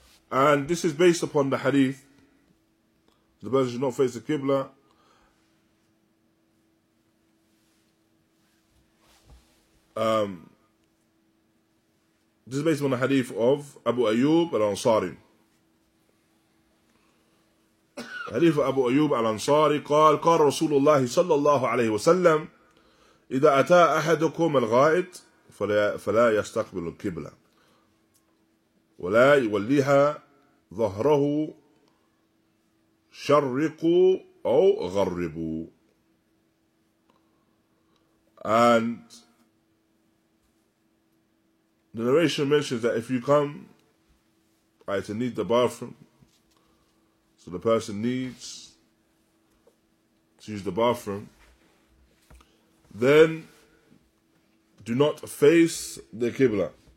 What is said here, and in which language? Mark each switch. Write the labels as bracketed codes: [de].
[en] And this is based upon the hadith, the person should not face the qibla. This is based upon the hadith of Abu Ayyub al-Ansari. [ar] حديث أبو أيوب الأنصاري قال قال رسول الله صلى الله عليه وسلم إذا أتى أحدكم الغائط فلا يستقبل القبلة ولا يوليها ظهره شرقوا أو غربوا. [en] And the narration mentions that if you come, right, to need the bathroom, so the person needs to use the bathroom, then do not face the Qibla.